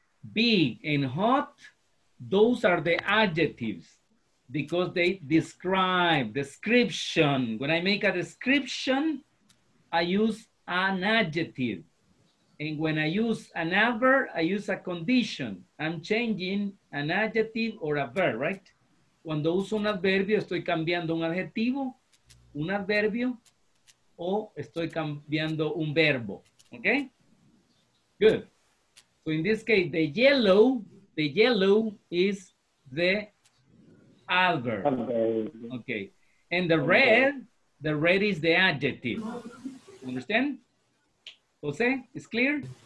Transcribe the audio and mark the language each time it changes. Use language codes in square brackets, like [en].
[en] Big and hot, those are the adjectives because they describe, description. When I make a description, I use an adjective. And when I use an adverb, I use a condition. I'm changing an adjective or a verb, right? [es] Cuando uso un adverbio, estoy cambiando un adjetivo, un adverbio, o estoy cambiando un verbo, okay? [en] Good. So in this case, the yellow is the adverb. Okay. And the red is the adjective. Understand? Jose, it's clear?